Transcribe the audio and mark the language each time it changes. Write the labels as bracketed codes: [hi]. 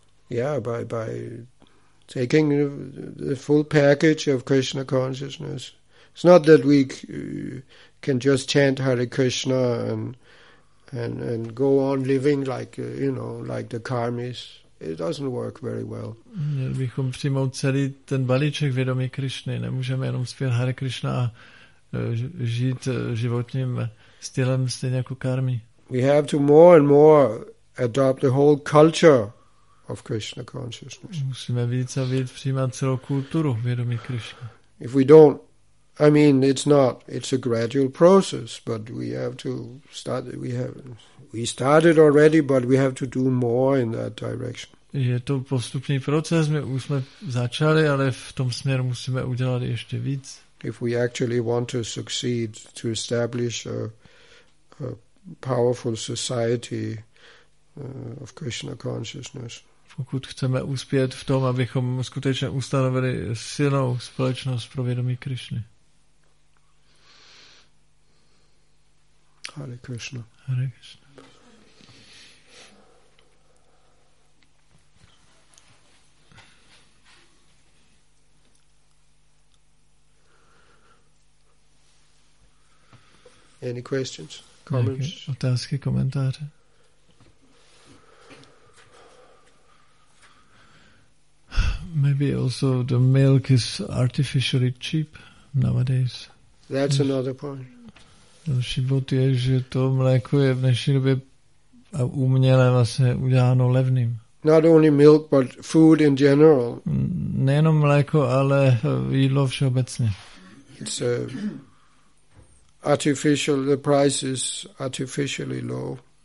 [en] Yeah, by taking the full package of Krishna consciousness. It's not that we can just chant Hare Krishna and go on living like, you know, like the karmis. It doesn't work very well. [cs] Měli bychom přijmout celý ten balíček vědomí Krishny. Nemůžeme jenom zpět Hare Krishna a žít životním stylem stejně jako karmi. [en] We have to more and more adopt the whole culture of Krishna consciousness. [cs] Musíme víc a víc přijímat celou kulturu vědomí Krishna. [en] If we don't, I mean, it's a gradual process, but we have to start, we started already, but we have to do more in that direction. [cs] Je to postupný proces, my už jsme začali, ale v tom směru musíme udělat ještě víc. [en] If we actually want to succeed to establish a powerful society of Krishna consciousness. [cs] Pokud chceme uspět v tom, abychom skutečně ustanovili silnou společnost pro vědomí Krishny. [en] Hare Krishna. [cs] Hare Krishna. [en] Any questions? Comments? [cs] Otázky, komentáře? [en] Maybe also the milk is artificially cheap nowadays. That's another point. [cs] Další bod je, že to mléko je v dnešní době uměle vlastně uděláno levným. [en] Not only milk, but food in general. [cs] Nejenom mléko, ale jídlo všeobecně. [en] It's artificial. The price is artificially low.